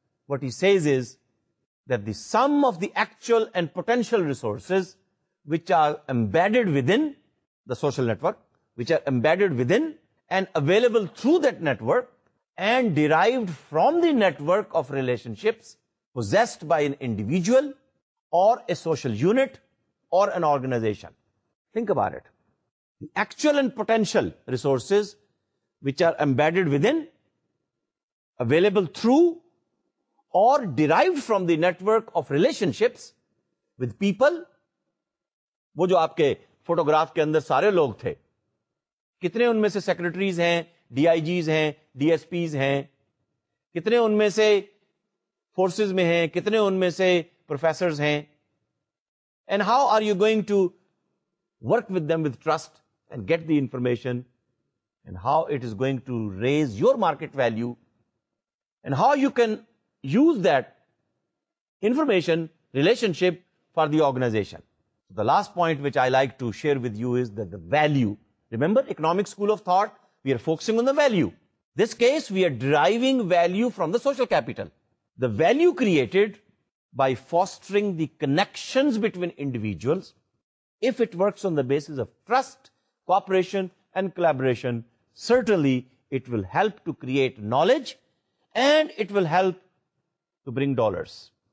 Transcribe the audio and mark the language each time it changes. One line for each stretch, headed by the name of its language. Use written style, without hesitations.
English: What he says is that the sum of the actual and potential resources which are embedded within the social network, which are embedded within and available through that network and derived from the network of relationships possessed by an individual or a social unit or an organization. Think about it. The actual and potential resources which are embedded within, available through or derived from the network of relationships with people.
Urdu: وہ جو آپ کے photograph کے اندر سارے لوگ تھے, کتنے ان میں سے سیکرٹریز ہیں, ڈی آئی جیز ہیں, ڈی ایس پیز ہیں, کتنے ان میں سے فورسز میں ہیں, کتنے ان میں سے پروفیسرز ہیں,
English: And how are you going to work with them with trust and get the information and how it is going to raise your market value and how you can use that information, relationship for the organization. So the last point which I like to share with you is that the value. Remember, economic school of thought, we are focusing on the value. This case, we are deriving value from the social capital. The value created by fostering the connections between individuals, if it works on the basis of trust, cooperation, and collaboration, certainly it will help to create knowledge and it will help to bring dollars.